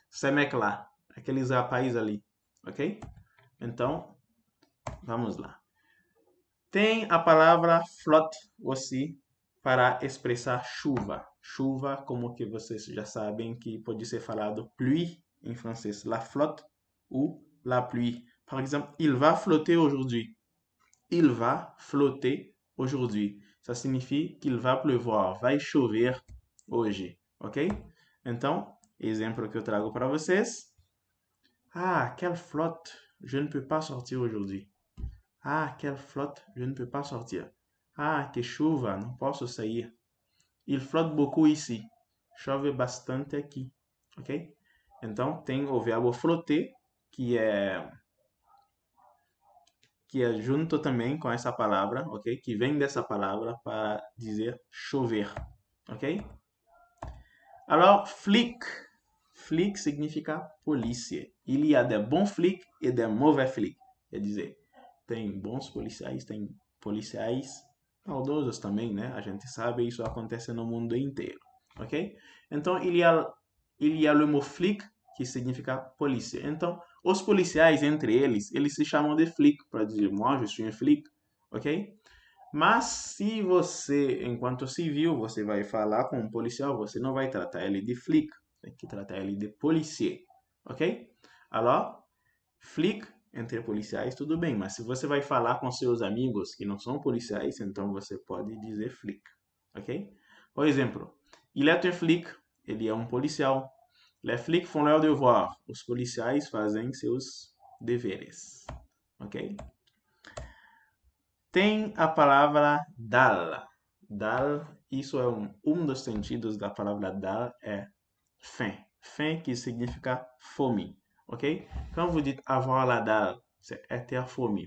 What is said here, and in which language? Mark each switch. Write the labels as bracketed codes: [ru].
[fr] Ces mecs là, [pt] aqueles rapazes ali, ok? Então, vamos lá. Tem a palavra flotte aussi para expressar chuva. Chuva, como que vocês já sabem, que pode ser falado pluie em francês. [fr] La flotte ou la pluie. [pt] Por exemplo, [fr] il va flotter aujourd'hui. Il va flotter aujourd'hui. Ça signifie qu'il va pleuvoir. [pt] Vai chover hoje. Ok? Então, exemplo que eu trago para vocês. [fr] Ah, quelle flotte! Je ne peux pas sortir aujourd'hui. Ah, quelle flotte! Je ne peux pas sortir. [pt] Ah, que chuva! Não posso sair. [fr] Il flotte beaucoup ici. [pt] Chove bastante aqui. [fr] Ok? [pt] Então, tem o verbo flotter, que é junto também com essa palavra, ok? Que vem dessa palavra para dizer chover. Ok? Alors, flic. Flic significa polícia. [fr] Il y a de bons flics et de mauvais flics. [pt] Quer dizer, tem bons policiais, tem policiais maldosos também, né? A gente sabe, isso acontece no mundo inteiro, ok? Então, [fr] il y a le mot flic, [pt] que significa polícia. Então, os policiais, entre eles se chamam de flic, para dizer, [fr] moi, je suis un flic, [pt] ok? Mas, se você, enquanto civil, você vai falar com um policial, você não vai tratar ele de flic, tem que tratar ele de policier, ok? Alors, flic. Entre policiais, tudo bem, mas se você vai falar com seus amigos que não são policiais, então você pode dizer flic, ok? Por exemplo, [fr] il est un flic, [pt] ele é um policial. [fr] Les flics font leur devoir, [pt] os policiais fazem seus deveres, ok? Tem a palavra dal. Dal, isso é um dos sentidos da palavra dal, é faim. Faim que significa fome. Ok? [fr] Quand vous dites avoir la dalle, c'est être affamé.